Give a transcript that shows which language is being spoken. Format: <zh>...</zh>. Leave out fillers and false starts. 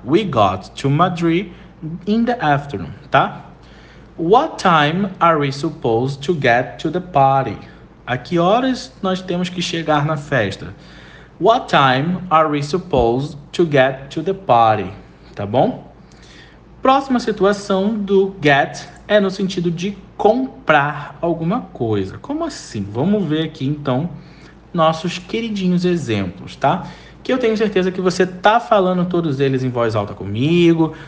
<en>We got to Madrid in the afternoon, tá? What time are we supposed to get to the party?</en> <pt>A que horas nós temos que chegar na festa?</pt> <en>What time are we supposed to get to the party?</en> <pt>Tá bom? Próxima situação do get é no sentido de comprar alguma coisa. Como assim? Vamos ver aqui então nossos queridinhos exemplos, tá? Que eu tenho certeza que você tá falando todos eles em voz alta comigo.</pt>